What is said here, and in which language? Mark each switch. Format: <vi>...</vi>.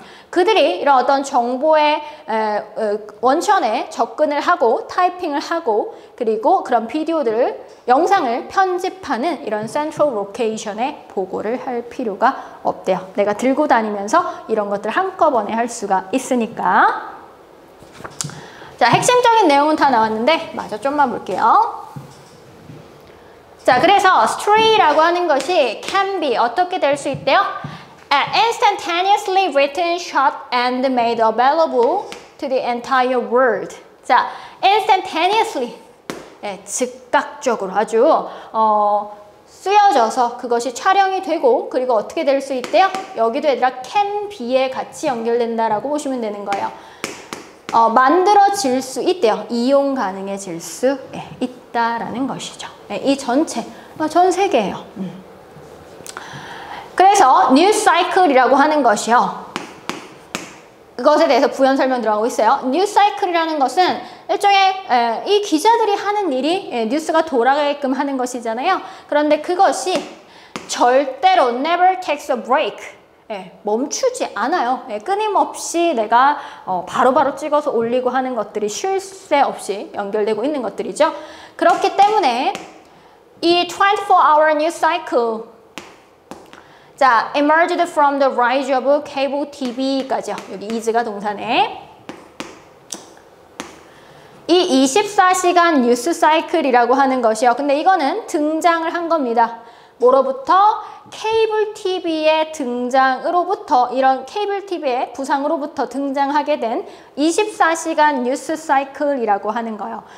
<ko>그들이 이런 어떤 정보의 원천에 접근을 하고 타이핑을 하고 그리고 그런 비디오들을 영상을 편집하는 이런</ko> <en>central location</en> <ko>에 보고를 할 필요가 없대요. 내가 들고 다니면서 이런 것들 한꺼번에 할 수가 있으니까. 자, 핵심적인 내용은 다 나왔는데 마저 좀만 볼게요. 자, 그래서 stray라고 하는 것이</ko> <en>can be</en> <ko>어떻게 될 수 있대요?</ko> <en>Instantaneously written, shot, and made available to the entire world.</en> <ko>자, instantaneously, 네, 즉각적으로 아주 쓰여져서 그것이 촬영이 되고 그리고 어떻게 될 수 있대요? 여기도 얘들아</ko> <en>can be</en> <ko>에 같이 연결된다라고 보시면 되는 거예요. 만들어질 수 있대요. 이용 가능해질 수 있다라는 것이죠. 네, 이 전체, 전 세계예요. 그래서 news cycle이라고 하는 것이요. 그것에 대해서 부연 설명 들어가고 있어요. news cycle이라는 것은 일종의 이 기자들이 하는 일이 뉴스가 돌아가게끔 하는 것이잖아요. 그런데 그것이 절대로</ko> <en>never takes a break.</en> <ko>멈추지 않아요. 끊임없이 내가 바로바로 찍어서 올리고 하는 것들이 쉴 새 없이 연결되고 있는 것들이죠. 그렇기 때문에 이 24-hour news cycle 자,</ko> <en>emerged from the rise of cable TV</en> <ko>까지요. 여기 is가 동사네. 이 24시간 뉴스 사이클이라고 하는 것이요. 근데 이거는 등장을 한 겁니다. 뭐로부터? 케이블 TV의 등장으로부터 이런 케이블 TV의 부상으로부터 등장하게 된 24시간 뉴스 사이클이라고 하는 거예요.</ko>